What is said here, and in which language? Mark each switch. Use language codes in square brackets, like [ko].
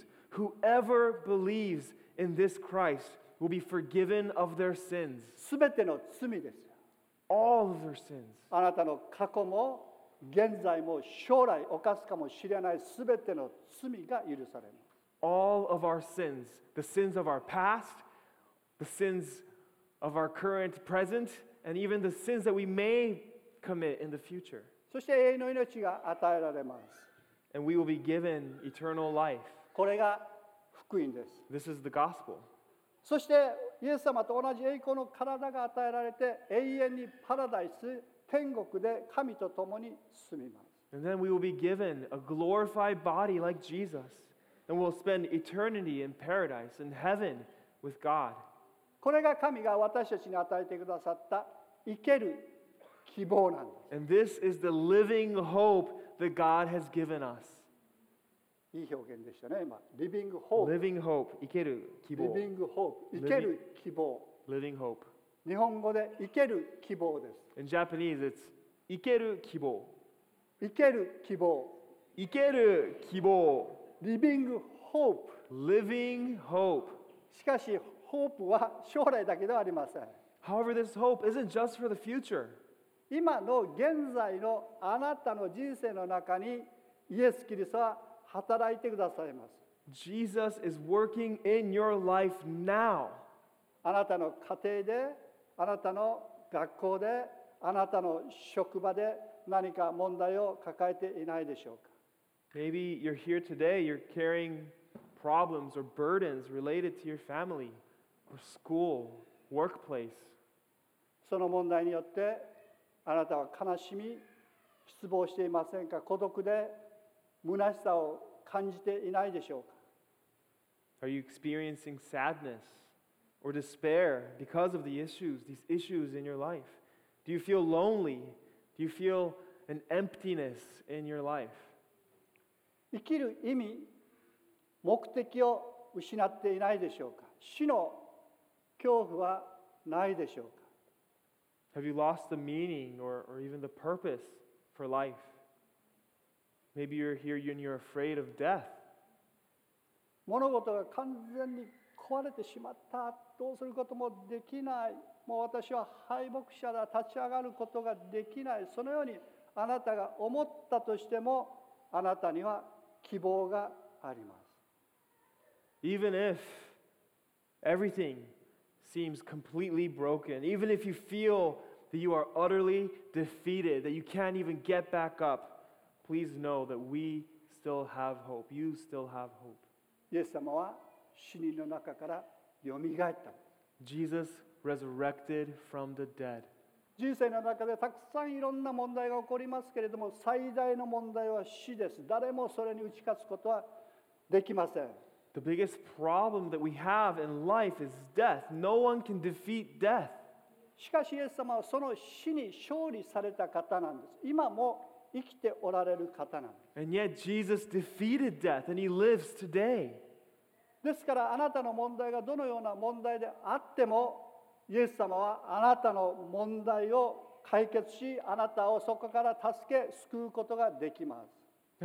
[en] Whoever believes in this Christ will be forgiven of their sins. [ja] 全ての罪です。 [en] All of their sins. [ja] あなたの過去も現在も将来犯すかもしれない全ての罪が許されます。 [en] All of our sins, the sins of our past, the sins of our current present, and even the sins that we may commit in the future. [ja] そして永遠の命が与えられます。 [en] And we will be given eternal life. [ja] これが福音です。 [en] This is the gospel. [ja] そしてイエス様と同じ栄光の体が与えられて永遠にパラダイス、天国で神と共に住みます。 [en] And then we will be given a glorified body like Jesus. And we'll spend eternity in paradise, in heaven with God. [ja] これが神が私たちに与えてくださった生ける希望なんです。 [en] And this is the living hope that God has given us. [ja] いい表現でしたね、今。 [en] Living hope. Living hope. [ja] 生ける希望。 [en] Living hope. [ja] 生ける希望。 [en] Living hope. [ja] 日本語で生ける希望です。 [en] In Japanese, it's [ja] 生ける希望。生ける希望。生ける希望。 [en] Living hope. Living hope. [ja] しかし、hope は将来だけではありません。 [en] However, this hope isn't just for the future. [ja] 今の現在のあなたの人生の中にイエス・キリストは働いてくださいます。 [en] Jesus is working in your life now. [ja] あなたの家庭で、あなたの学校で、あなたの職場で何か問題を抱えていないでしょうか。 [en] Maybe you're here today, you're carrying problems or burdens related to your family, or school, workplace. [ja] その問題によって、あなたは悲しみ、失望していませんか? 孤独で虚しさを感じていないでしょうか? [en] Are you experiencing sadness or despair because of the issues, these issues in your life? Do you feel lonely? Do you feel an emptiness in your life? [ja] 生きる意味、目的を失っていないでしょうか? 死の恐怖はないでしょうか? [en] Have you lost the meaning or even the purpose for life? Maybe you're here and you're afraid of death. [ja] 物事が完全に壊れてしまった。どうすることもできない。もう私は敗北者だ。立ち上がることができない。そのようにあなたが思ったとしても、あなたには希望があります。 [en] Even if everything... seems completely broken. Even if you feel that you are utterly defeated, that you can't even get back up, please know that we still have hope. You still have hope. [ja] イエス様は死人の中からよみがえった。 [en] Jesus resurrected from the dead. [ja] 人生の中でたくさんいろんな問題が起こりますけれども、最大の問題は死です。誰もそれに打ち勝つことはできません。 [en] The biggest problem that we have in life is death. No one can defeat death. [ja] しかしイエス様はその死に勝利された方なんです。今も生きておられる方なんです。 [en] And yet Jesus defeated death and he lives today. [ja] ですからあなたの問題がどのような問題であっても、イエス様はあなたの問題を解決し、あなたをそこから助け、救うことができます。